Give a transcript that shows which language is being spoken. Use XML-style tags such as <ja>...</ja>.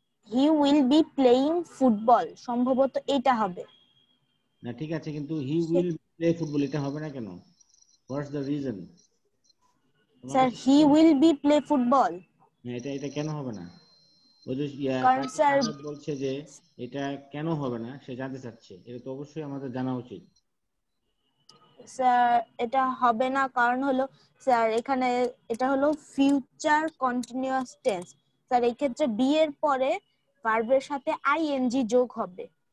<en>He will be playing football.</en> <bn>সম্ভবত এটা হবে। না, ঠিক আছে, কিন্তু</bn> <en>he will play football</en> <bn>এটা হবে না কেন?</bn> <en>What's the reason? Sir, he will be play football.</en> <bn>না, এটা এটা কেন হবে না? ও যে কারণ স্যার বলছে যে এটা কেন হবে না সে জানতে চাচ্ছে, এটা তো অবশ্যই আমাদের জানা উচিত। স্যার, এটা হবে না, কারণ হলো স্যার এখানে এটা হলো ফিউচার কন্টিনিউয়াস টেন্স। স্যার, এই ক্ষেত্রে বি এর পরে ভার্বের সাথে আইএনজি যোগ হবে।</bn>